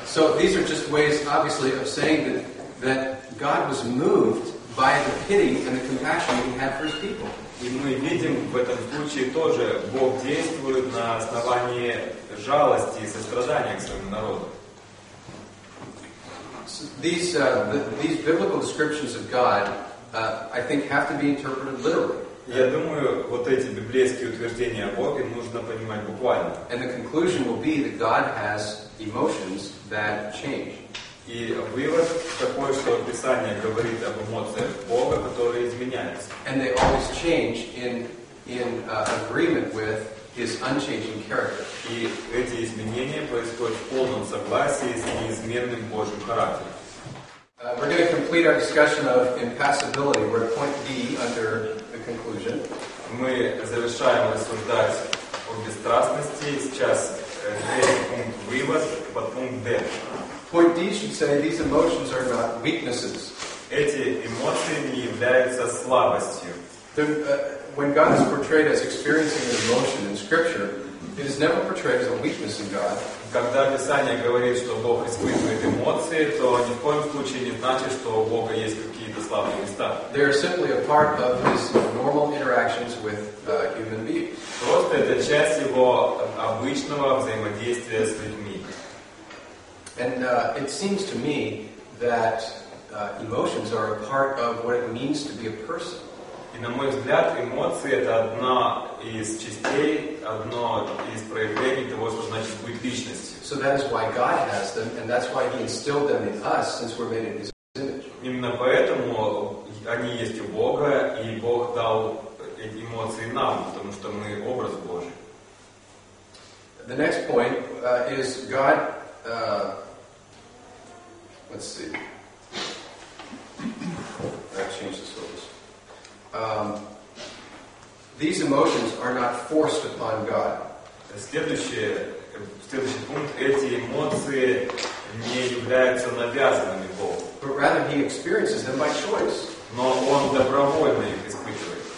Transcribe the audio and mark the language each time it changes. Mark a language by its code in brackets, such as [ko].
[en] So these are just ways, obviously, of saying that God was moved by the pity and the compassion he had for his people. [ru] И мы видим в этом случае тоже, Бог действует на основании жалости и сострадания к своему народу. [en] So these biblical descriptions of God, I think, have to be interpreted literally. [ru] Я думаю, вот эти библейские утверждения о Боге нужно понимать буквально. [en] And the conclusion will be that God has emotions that change. [ru] И вывод такой, что Писание говорит об эмоциях Бога, которые изменяются. [en] And they always change in agreement with His unchanging character. [ru] И эти изменения происходят в полном согласии с неизменным Божьим характером. [en] We're going to complete our discussion of impassibility. We're at point D under the conclusion. [ru] Мы завершаем рассуждать о бесстрастности. Сейчас пункт вывод под пункт D. [en] Point D should say these emotions are not weaknesses. [ru] Эти эмоции не являются слабостью. [en] When God is portrayed as experiencing an emotion in Scripture, it is never portrayed as a weakness in God. [ru] когда Писание говорит, что Бог испытывает эмоции, то ни в коем случае не значит, что у Бога есть какие-то слабые места. [en] They are simply a part of his normal interactions with human beings. [ru] Просто это часть его обычного взаимодействия с людьми. [en] And it seems to me that emotions are a part of what it means to be a person. [ru] И на мой взгляд, эмоции — это одна из частей, одно из проявлений того, что значит быть личностью. [en] So that is why God has them, and that's why He instilled them in us, since we're made in His image. [ru] Именно поэтому они есть у Бога, и Бог дал эти эмоции нам, потому что мы образ Божий. [en] The next point is God. Let's see. That changes the focus. These emotions are not forced upon God. [ru] Следующий пункт. Эти эмоции не являются навязанными Богу. [en] But rather he experiences them by choice. [ru] Но он добровольно их испытывает.